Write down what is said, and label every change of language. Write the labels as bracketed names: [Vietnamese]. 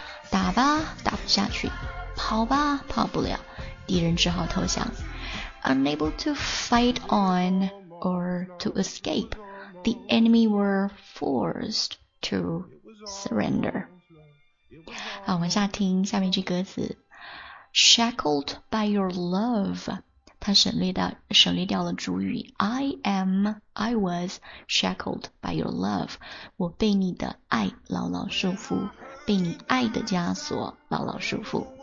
[Chinese] 打吧，打不下去；跑吧，跑不了。敌人只好投降。 [English] Unable to fight on or to escape, the enemy were forced to surrender. [Chinese] 好，我们下听下面这歌词。 [English] Shackled by your love. [Chinese] 他省略掉了主语 [English] I was shackled by your love. [Chinese] 我被你的爱牢牢束缚，被你爱的枷锁牢牢束缚。